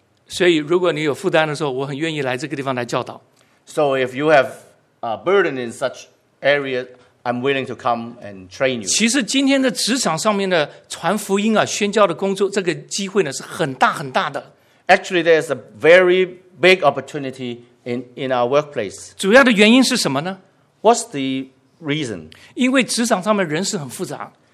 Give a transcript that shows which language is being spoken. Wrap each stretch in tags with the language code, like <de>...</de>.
<zh>所以如果你有负担的时候，我很愿意来这个地方来教导。</zh> <en>So if you have a burden in such area, I'm willing to come and train you.</en> <zh>其实今天的职场上面的传福音啊，宣教的工作，这个机会呢是很大很大的。</zh> <en>Actually, there's a very big opportunity in our workplace.</en> <zh>主要的原因是什么呢？</zh> <en>What's the reason?</en> <zh>因为职场上面人是很复杂。</zh>